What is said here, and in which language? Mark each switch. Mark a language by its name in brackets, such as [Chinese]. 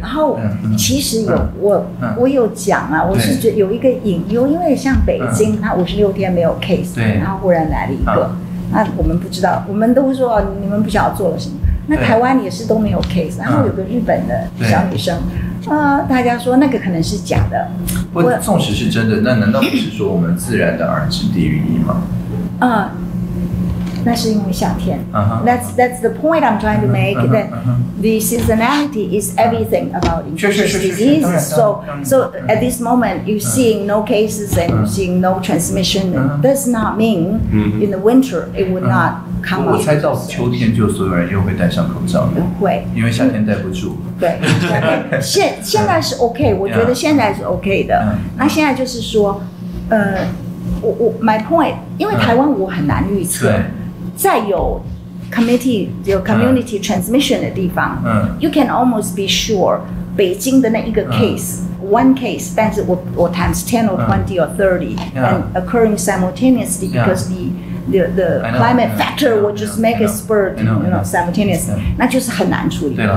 [Chinese] 然后其实我有讲啊，我是觉得有一个隐忧，因为像北京，它56天没有 case， 然后忽然来了一个，那我们不知道，我们都说你们不晓得做了什么。那台湾也是都没有 case， 然后有个日本的小女生。大家说那个可能是假的。不，纵使是真的，那难道不是说我们自然的耳之低于一吗？那是因为夏天。 [English] That's the point I'm trying to make. That the seasonality is everything about infectious disease. So at this moment, you're seeing no cases and you're seeing no transmission. Does not mean in the winter it would not come out. [Chinese] 我猜到秋天就所有人又会戴上口罩了。会，因为夏天戴不住。对，现在是 OK， 我觉得现在是 OK 的。那现在就是说，我 my point， 因为台湾我很难预测。在有 [English] community transmission [Chinese] 的地方， [English] you can almost be sure [Chinese] 北京的那一个 [English] case one case， [Chinese] 但是我 [English] times 10 or 20 or 30 and occurring simultaneously because the climate factor will just make it spurred simultaneously， [Chinese] 那就是很难处理。